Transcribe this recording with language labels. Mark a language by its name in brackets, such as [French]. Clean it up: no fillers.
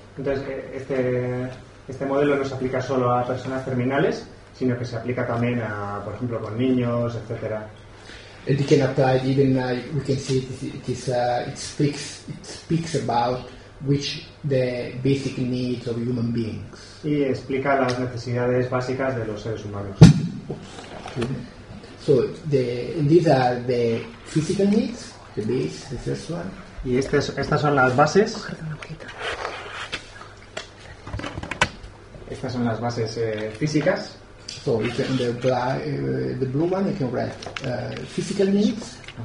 [Spanish] Entonces este modelo no se aplica solo a personas terminales, sino que se aplica también a, por ejemplo, con niños, etcétera. [English] And it can apply even we can see it speaks about which the basic needs of human beings. [Spanish] Y explica las necesidades básicas de los seres humanos. [English] So these are the physical needs, the base, the first one. [Spanish] Y estas son las bases. Estas son las bases físicas. [English] So the blue one you can write physical needs.